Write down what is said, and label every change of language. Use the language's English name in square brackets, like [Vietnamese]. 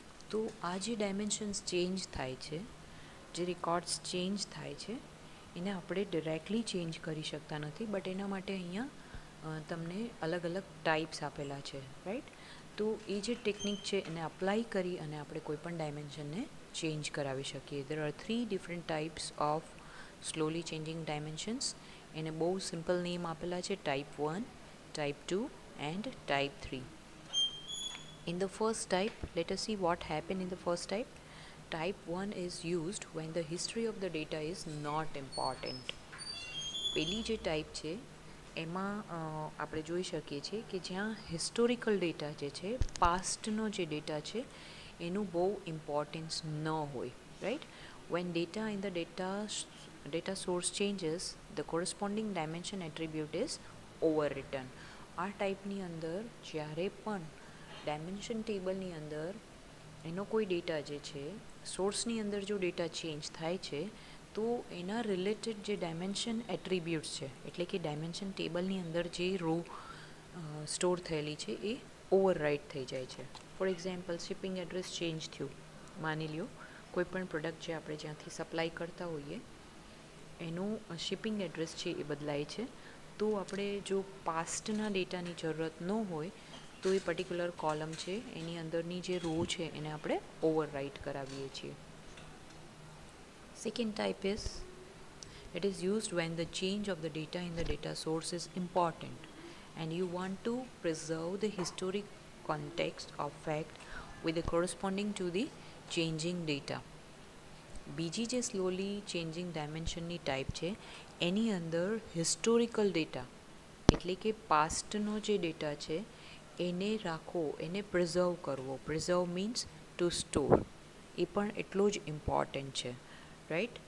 [Gujarati] તો આ જે ડાયમેન્શન્સ ચેન્જ થાય છે, જે રેકોર્ડ્સ ચેન્જ થાય છે, એને આપણે ડિરેક્ટલી ચેન્જ કરી શકતા નથી, બટ એના માટે અહીંયા તમને અલગ અલગ ટાઈપ્સ આપેલા છે, રાઈટ? તો એ જે ટેકનિક છે એને અપ્લાય કરી અને આપણે કોઈપણ ડાયમેન્શનને ચેન્જ કરાવી શકીએ. [English] There are three different types of slowly changing dimensions. [Gujarati] એને બહુ સિમ્પલ નેમ આપેલા છે, type one, [English] type 2 and type 3. In the first type, let us see what happened in the first type. Type 1 is used when the history of the data is not important. [Hindi] पहली जो type छे [Gujarati] એમાં આપણે જોઈ શકીએ છીએ કે જ્યાં હિસ્ટોરિકલ ડેટા જે છે, પાસ્ટનો જે ડેટા છે એનું બહુ ઇમ્પોર્ટન્સ ન હોય, right? [English] When data in the data source changes the corresponding dimension attribute is overwritten. [Gujarati] આ ટાઈપની અંદર જ્યારે પણ ડાયમેન્શન ટેબલની અંદર એનો કોઈ ડેટા જે છે સોર્સની અંદર જો ડેટા ચેન્જ થાય છે તો એના રિલેટેડ જે ડાયમેન્શન એટ્રીબ્યુટ્સ છે, એટલે કે ડાયમેન્શન ટેબલની અંદર જે રો સ્ટોર થયેલી છે એ ઓવરરાઇટ થઈ જાય છે. For example, shipping address change થયું, માની લ્યો કોઈ પણ પ્રોડક્ટ જે આપણે જ્યાંથી સપ્લાય કરતા હોઈએ એનું શિપિંગ એડ્રેસ છે એ બદલાય છે, તો આપણે જો પાસ્ટના ડેટાની જરૂરત ન હોય તો એ પર્ટિક્યુલર કોલમ છે એની અંદરની જે રો છે એને આપણે ઓવરરાઇટ કરાવીએ છીએ. [English] Second type is, it is used when the change of the data in the data source is important and you want to preserve the historic context of fact with the corresponding to the changing data. [Gujarati] બીજી જે slowly changing ડાયમેન્શનની type છે એની અંદર historical data, એટલે કે પાસ્ટનો જે data છે એને રાખવો, એને પ્રિઝર્વ કરવો, [English] preserve means to store, [Gujarati] એ પણ એટલો જ ઇમ્પોર્ટન્ટ છે, રાઈટ?